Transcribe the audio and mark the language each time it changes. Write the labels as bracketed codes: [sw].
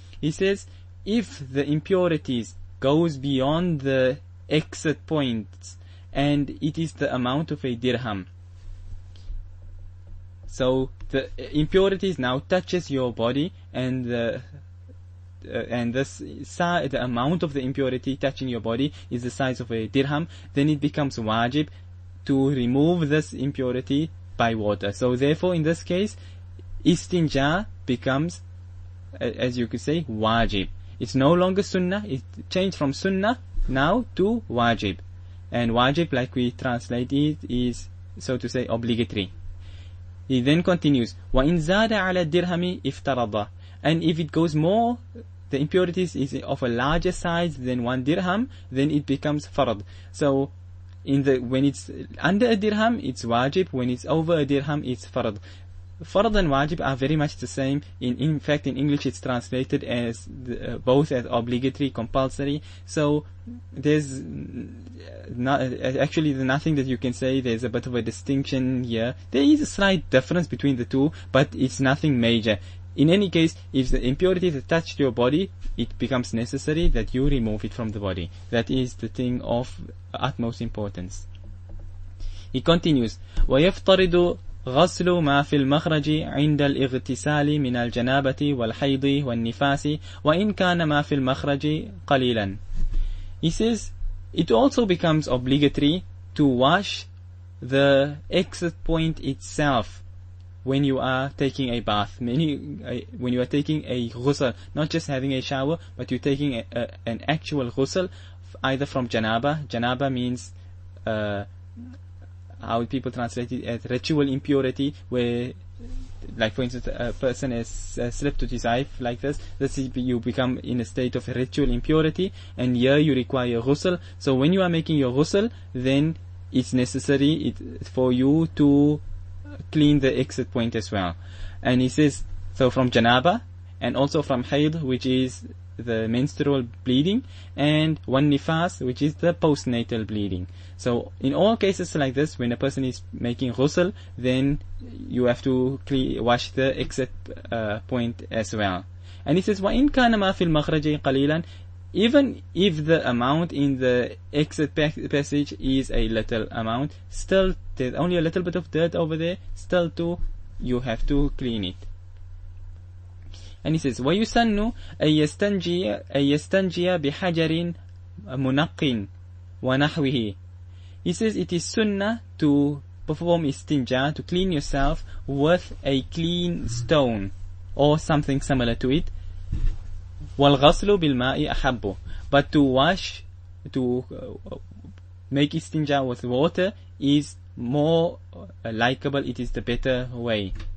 [en] He says, if the impurities goes beyond the exit points and it is the amount of a dirham, so the impurities now touches your body and the amount of the impurity touching your body is the size of a dirham, then it becomes wajib to remove this impurity by water. So therefore in this case, istinja becomes, as you could say, wajib. It's no longer sunnah. It changed from sunnah now to wajib. And wajib, like we translate it, is, so to say, obligatory. He then continues, [ar] وَإِنْ زَادَ عَلَى الدِّرْهَمِ افْتَرَضَ. [en] And if it goes more, the impurities is of a larger size than one dirham, then it becomes fard. So, when it's under a dirham, it's wajib. When it's over a dirham, it's fard. Fard and wajib are very much the same. In fact, in English, it's translated as both as obligatory, compulsory. So, there's nothing that you can say. There's a bit of a distinction here. There is a slight difference between the two, but it's nothing major. In any case, if the impurity is attached to your body, it becomes necessary that you remove it from the body. That is the thing of utmost importance. He continues, [ar] وَيَفْطَرِدُ غسل ما في المخرج عند الاغتسال من الجنابة والحيض والنفاس وإن كان ما في المخرج قليلا. [en] He says, it also becomes obligatory to wash the exit point itself when you are taking a bath. When you are taking a ghusl, not just having a shower, but you're taking an actual ghusl, either from janaba. Janaba means, how people translate it, as ritual impurity, where, like for instance, a person has slept with his wife like this. You become in a state of ritual impurity, and here you require ghusl. So when you are making your ghusl, then it's necessary for you to clean the exit point as well. And he says, so from janaba, and also from hayd, which is the menstrual bleeding, and one nifas, which is the postnatal bleeding. So in all cases like this, when a person is making ghusl, then you have to wash the exit point as well. And he says, [ar] وَإِنْ كَانَ مَا فِي الْمَخْرَجِ قَلِيلًا. [en] Even if the amount in the exit passage is a little amount, still there's only a little bit of dirt over there, still too, you have to clean it. And he says, [ar] وَيُسَنُّ أَيَّسْتَنْجِيَ بِحَجَرٍ مُنَقِّن وَنَحْوِهِ. [en] He says, it is sunnah to perform istinja, to clean yourself with a clean stone or something similar to it. [ar] وَالْغَسْلُ بِالْمَاءِ أَحَبُّ. [en] But to wash, to make istinja with water is more likable, it is the better way.